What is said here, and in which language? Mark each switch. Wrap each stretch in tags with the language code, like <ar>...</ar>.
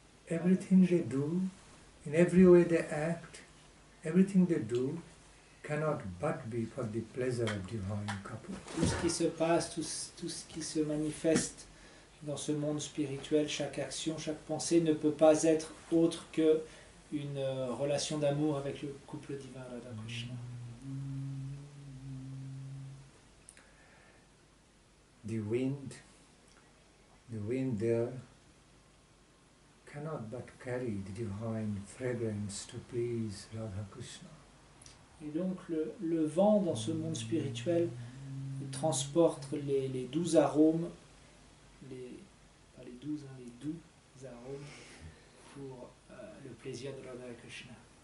<en>Everything they do, in every way they act, everything they do cannot but be for the pleasure of divine couple.</en> <fr>Tout ce qui se passe, tout ce qui se manifeste dans ce monde spirituel, chaque action, chaque pensée ne peut pas être autre que une relation d'amour avec le couple divin Radha Krishna.</fr> <en>The wind there cannot but carry the divine fragrance to please Radha Krishna.</en> <fr>Et donc le vent dans ce monde spirituel transporte les doux arômes, les doux arômes pour le plaisir de Radha Krishna.</fr>